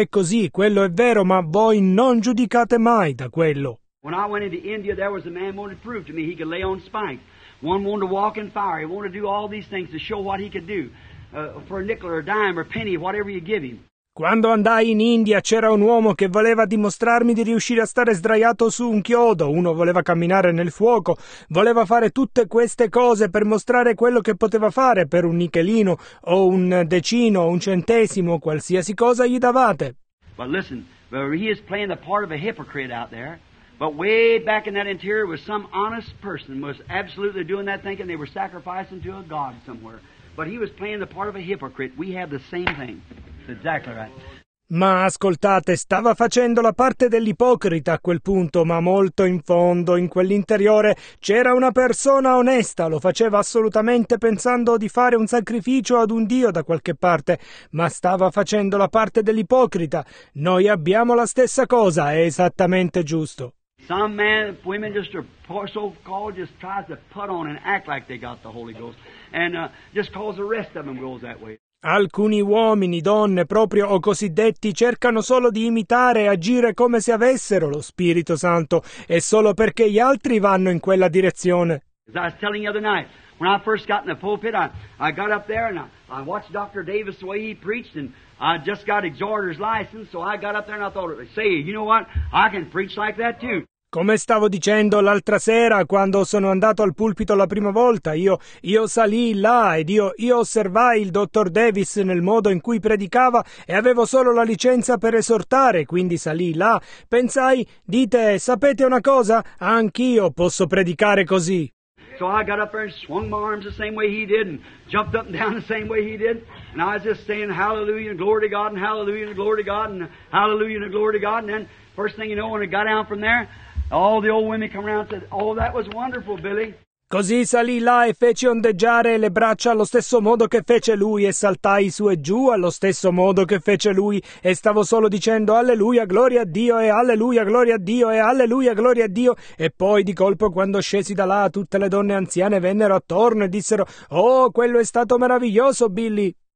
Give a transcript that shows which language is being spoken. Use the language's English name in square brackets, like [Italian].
[Italian] È così, quello è vero, ma voi non giudicate mai da quello. [English] When I went into India, there was a man who wanted to prove to me he could lay on spikes. One wanted to walk in fire. He wanted to do all these things to show what he could do. For a nickel or a dime or a penny, whatever you give him. [Italian] Quando andai in India c'era un uomo che voleva dimostrarmi di riuscire a stare sdraiato su un chiodo, uno voleva camminare nel fuoco, voleva fare tutte queste cose per mostrare quello che poteva fare per un nichelino o un decino o un centesimo, qualsiasi cosa gli davate. [English] But listen, he is playing the part of a hypocrite out there, but way back in that interior was some honest person was absolutely doing that thinking they were sacrificing to a god somewhere. But he was playing the part of a hypocrite. We have the same thing. Exactly right. [Italian] Ma ascoltate, stava facendo la parte dell'ipocrita a quel punto, ma molto in fondo, in quell'interiore, c'era una persona onesta, lo faceva assolutamente pensando di fare un sacrificio ad un Dio da qualche parte, ma stava facendo la parte dell'ipocrita. Noi abbiamo la stessa cosa, è esattamente giusto. [English] Some men, women just are so called, just tries to put on and act like they got the Holy Ghost. And just cause the rest of them goes that way. [Italian] Alcuni uomini, donne, proprio o cosiddetti, cercano solo di imitare e agire come se avessero lo Spirito Santo, e solo perché gli altri vanno in quella direzione. [English] As I was telling the other night, when I first got in the pulpit, I got up there and I watched Dr. Davis the way he preached, and I just got exhorter's license, so I got up there and I thought, say, you know what, I can preach like that too. [Italian] Come stavo dicendo l'altra sera, quando sono andato al pulpito la prima volta, io salii là ed io osservai il dottor Davis nel modo in cui predicava e avevo solo la licenza per esortare, quindi salii là. Pensai, dite, sapete una cosa? Anch'io posso predicare così. [English] So I got up there and swung my arms the same way he did and jumped up and down the same way he did. And I was just saying hallelujah and glory to God and hallelujah and glory to God and hallelujah and glory to God. And then first thing you know, when I got out from there, all the old women come around and said, oh, that was wonderful, Billy. [Italian] Così salì là e feci ondeggiare le braccia allo stesso modo che fece lui e saltai su e giù allo stesso modo che fece lui e stavo solo dicendo alleluia, gloria a Dio e alleluia, gloria a Dio e alleluia, gloria a Dio e poi di colpo quando scesi da là tutte le donne anziane vennero attorno e dissero oh, quello è stato meraviglioso, Billy.